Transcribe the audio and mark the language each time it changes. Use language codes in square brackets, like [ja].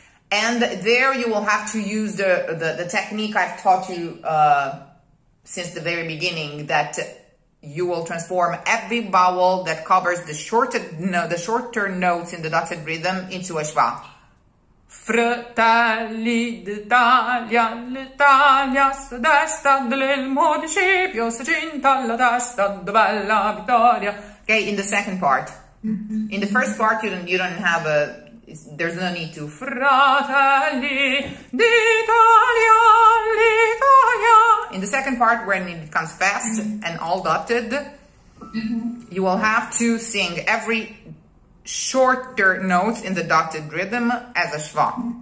[en] And there you will have to use the technique I've taught you since the very beginning, that you will transform every vowel that covers the shorter notes in the dotted rhythm into a schwa. [it] Fratelli d'Italia, l'Italia se desta dell'elmo di Scipio, se cinta la testa, dov'è la vittoria. [en] Okay, in the second part. In the first part you don't have a, there's no need to. [it] Fratelli d'Italia, l'Italia. [en] In the second part when it comes fast and all dotted, you will have to sing every shorter note in the dotted rhythm as a schwa.